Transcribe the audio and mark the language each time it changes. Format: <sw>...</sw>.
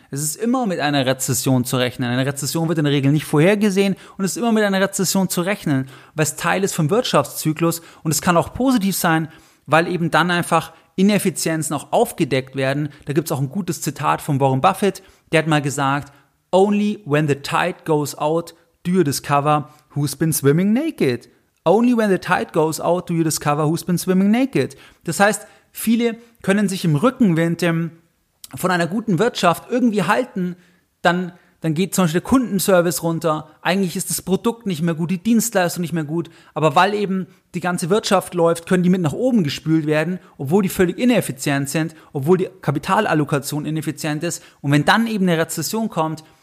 <de>Es ist immer mit einer Rezession zu rechnen. Eine Rezession wird in der Regel nicht vorhergesehen und es ist immer mit einer Rezession zu rechnen, weil es Teil ist vom Wirtschaftszyklus und es kann auch positiv sein, weil eben dann einfach Ineffizienzen auch aufgedeckt werden. Da gibt es auch ein gutes Zitat von Warren Buffett, der hat mal gesagt,</de> <en>"Only when the tide goes out do you discover who's been swimming naked." Only when the tide goes out do you discover who's been swimming naked.</en> <de>Das heißt, viele können sich im Rückenwind von einer guten Wirtschaft irgendwie halten, dann geht zum Beispiel der Kundenservice runter, eigentlich ist das Produkt nicht mehr gut, die Dienstleistung nicht mehr gut, aber weil eben die ganze Wirtschaft läuft, können die mit nach oben gespült werden, obwohl die völlig ineffizient sind, obwohl die Kapitalallokation ineffizient ist und wenn dann eben eine Rezession kommt,</de>